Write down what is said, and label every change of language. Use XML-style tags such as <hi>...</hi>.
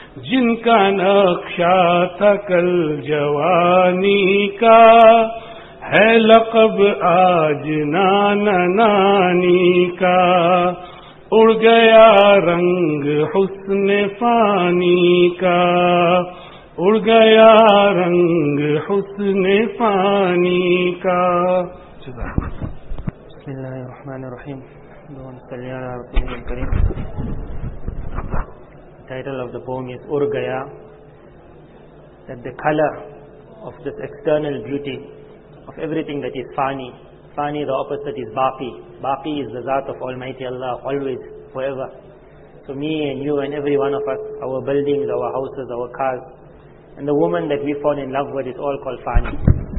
<ur>جن کا نقشہ تھا کل جوانی کا، ہے لقب آج نانا نانی کا، اڑ گیا رنگ حسن فانی کا، اڑ گیا رنگ حسن فانی کا.</ur> <ar>بسم اللہ الرحمن الرحیم. اللهم صل على رسولنا الكريم.</ar> <en>Title of the poem is Ur Gaya, that the color of this external beauty of everything that is Fani, Fani the opposite is Baqi. Baqi is the Zat of Almighty Allah, always, forever. So me and you and every one of us, our buildings, our houses, our cars, and the woman that we fall in love with is all called Fani.</en>